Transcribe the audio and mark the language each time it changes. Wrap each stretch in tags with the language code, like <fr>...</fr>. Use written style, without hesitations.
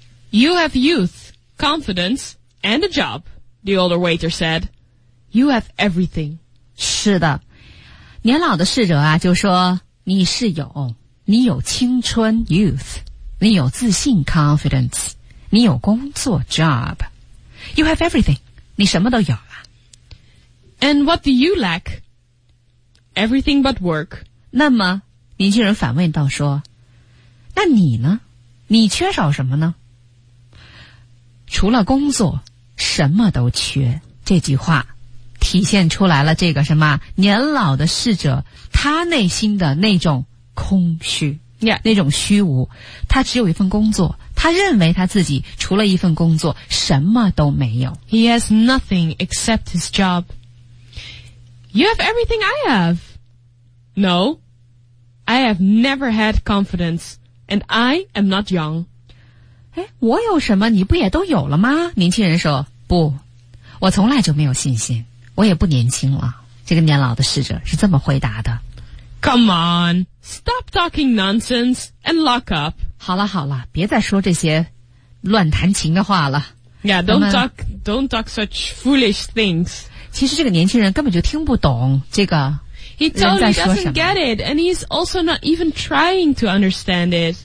<en>You have youth, confidence and a job, the older waiter said. You have everything.</en> <zh>是的，年老的侍者啊就说，你是有，你有青春 youth, 你有自信 confidence, 你有工作 job. You have everything. 你什么都有了。</zh> <en>And what do you lack? Everything but work.</en> <zh>那么年轻人反问道说，那你呢？你缺少什么呢？除了工作什么都缺，这句话体现出来了这个什么年老的侍者他内心的那种空虚、 yeah. 那种虚无。他只有一份工作，他认为他自己除了一份工作什么都没有。</zh> <en>He has nothing except his job. You have everything I have. No, I have never had confidence and I am not young.</en> <zh>诶，我有什么你不也都有了吗？年轻人说，不，我从来就没有信心，我也不年轻了。这个年老的侍者是这么回答的。</zh> <en>Come on, stop talking nonsense and lock up.</en> <zh>好了好了，别再说这些乱弹琴的话了。</zh> <en>Yeah, don't talk such foolish things.</en> <zh>其实这个年轻人根本就听不懂这个人在说什么。</zh> <en>He totally doesn't get it, and he's also not even trying to understand it.</en>